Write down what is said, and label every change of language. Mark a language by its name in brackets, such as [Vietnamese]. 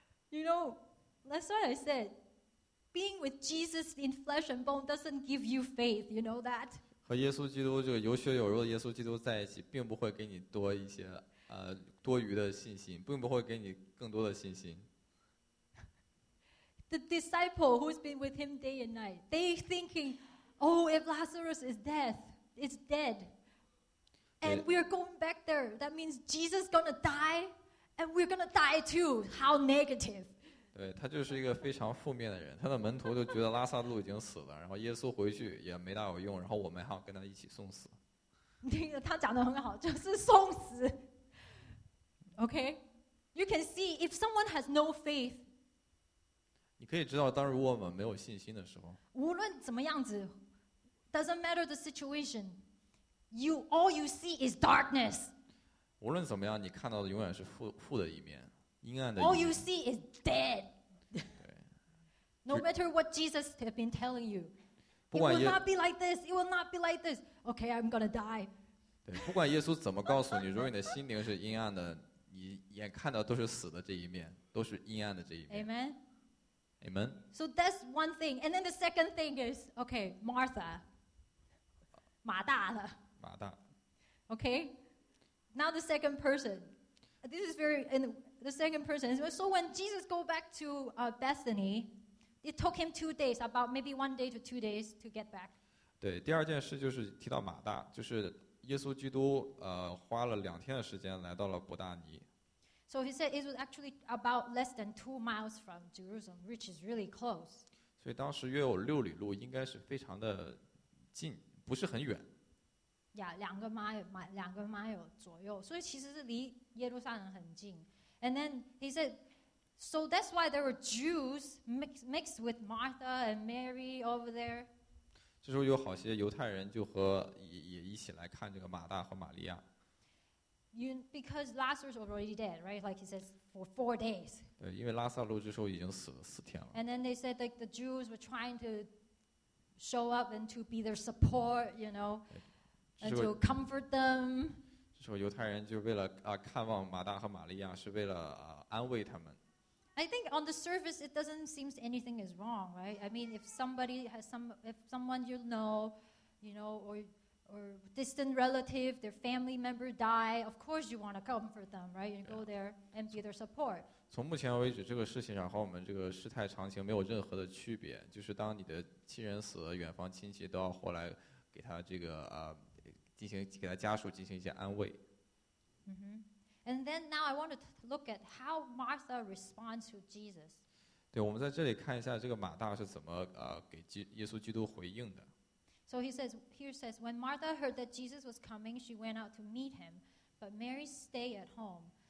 [English] You know, that's what I said. Being with Jesus in flesh and bone doesn't give you faith. You know that. [Chinese] 和耶稣基督这个有血有肉的耶稣基督在一起，并不会给你多一些多余的信心，并不会给你更多的信心。 [English] The disciple who's been with him day and night, they thinking, "Oh, if Lazarus is dead, and we are going back there, that means Jesus gonna die." And we're gonna die too. How negative! [Chinese] 对他就是一个非常负面的人。他的门徒就觉得拉撒路已经死了，然后耶稣回去也没大有用，然后我们还要跟他一起送死。他讲的很好，就是送死。 [English] Okay, you can see if someone has no faith. [Chinese] 你可以知道，当如果我们没有信心的时候，无论怎么样子 [English] ，doesn't matter the situation. You all you see is darkness. [Chinese] 无论怎么样，你看到的永远是负的一面，阴暗的。 [English] All you see is dead. [Chinese] 对。 [English] No matter what Jesus has been telling you. [Chinese] 不管 [English] It will not be like this. It will not be like this. Okay, I'm gonna die. [Chinese] 对，不管耶稣怎么告诉你，如果你的心灵是阴暗的，你眼看到都是死的这一面，都是阴暗的这一面。 [English] Amen. Amen. So that's one thing. And then the second thing is, okay, Martha. 马大的。 [Chinese] 马大。 [English] Okay. Now the second person. This is very in the second person. So when Jesus go back to Bethany. It took him 2 days, about maybe 1 day to 2 days to get back. [Chinese] 对，第二件事就是提到马大，就是耶稣基督花了两天的时间来到了伯大尼。 [English] So he said it was actually about less than 2 miles from Jerusalem, which is really close. [Chinese] 所以当时约有六里路，应该是非常的近，不是很远。 Yeah, 两个 mile 左右，所以其实是离耶路撒冷很近。 [English] And then he said. So that's why there were Jews mixed with Martha and Mary over there. [Chinese] 这时候有好些犹太人就和 也一起来看这个马大和玛利亚。 [English] Because Lazarus was already dead, right? Like he says, for 4 days. [Chinese] 对，因为拉撒路这时候已经死了四天了。 [English] And then they said that the Jews were trying to show up and to be their support, you know, and to comfort them. [Chinese] 这时候犹太人就为了看望马大和玛利亚，是为了安慰他们。 [English] I think on the surface, it doesn't seem anything is wrong, right? I mean, if somebody has if someone you know, or distant relative, their family member die, of course you want to comfort them, right? You go there and be their support. [Chinese] 从目前为止，这个事情上和我们这个事态常情没有任何的区别。就是当你的亲人死了，远方亲戚都要回来给他这个进行给他家属进行一些安慰。嗯哼。 [English] And then now I want to look at how Martha responds to Jesus. [Chinese] 对，我们在这里看一下这个马大是怎么给耶稣基督回应的。 [English] So he says, here says, when Martha heard that Jesus was coming, she went out to meet him, but Mary stayed at home.